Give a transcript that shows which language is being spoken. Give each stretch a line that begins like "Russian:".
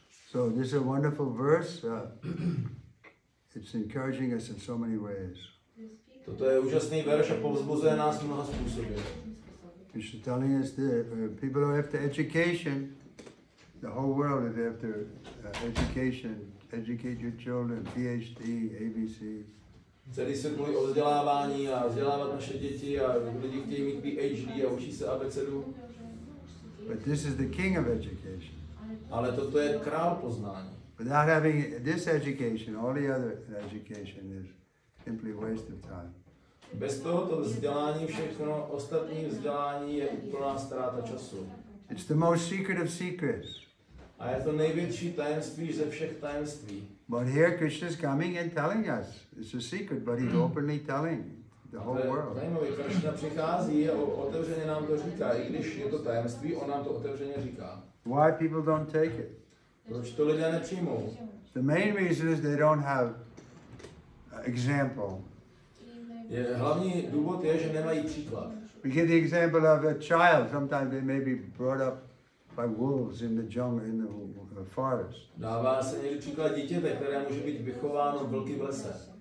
English: So this is a wonderful verse. It's encouraging us in so many ways.
Czech: Toto je úžasný verš a povzbuzuje nás mnoha způsoby.
English: Krishna telling us that people are after education. The whole world is after education. Educate your children, PhD, ABC.
Czech: Celý svět mluví o vzdělávání a vzdělávat naše děti a lidi chtějí mít PhD a učí se abecedu.
English: But this is the king of education.
Czech: Ale toto je král poznání.
English: Without having this education, all the other education is simply a waste of time.
Czech: Bez tohoto vzdělání všechno ostatní vzdělání je úplná ztráta času.
English: It's the most secret of secrets.
Czech: A je to největší tajemství ze všech tajemství.
English: But here Krishna is coming and telling us. It's a secret, but he's openly telling. the whole world.
Czech: Zajímavý, Krishna přichází a otevřeně nám to říká, i když je to tajemství, on nám to otevřeně říká.
English: Why people don't take it?
Czech: Proč to lidé nepřijmou?
English: The main reason is they don't have example.
Czech: Je, hlavní důvod je, že nemají příklad.
English: We get the example of a child. Sometimes they may be brought up by wolves in the jungle, in the forest.
Czech: Dává se někdy příklad dítěte, které může být vychováno vlky v lese.